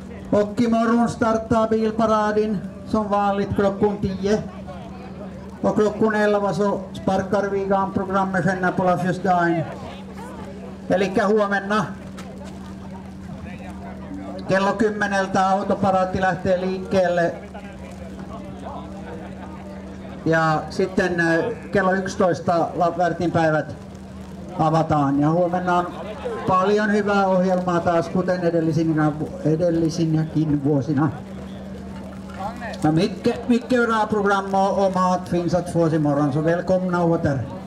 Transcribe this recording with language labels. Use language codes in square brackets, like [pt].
[sv] Och imorgon startar bilparaden som vanligt klockan 10. Och klockan 11 så sparkar vi igång programmet sen på Lafjösdagen. [fi] Elikkä huomenna. Kello 10:00 autoparaatti lähtee liikkeelle. Ja sitten kello 11 Lapvärtin päivät avataan. Ja huomenna on paljon hyvää ohjelmaa taas, kuten edellisinäkin vuosina. [sv] No mycket bra program och mat finns att få imorgon, så välkomna åter.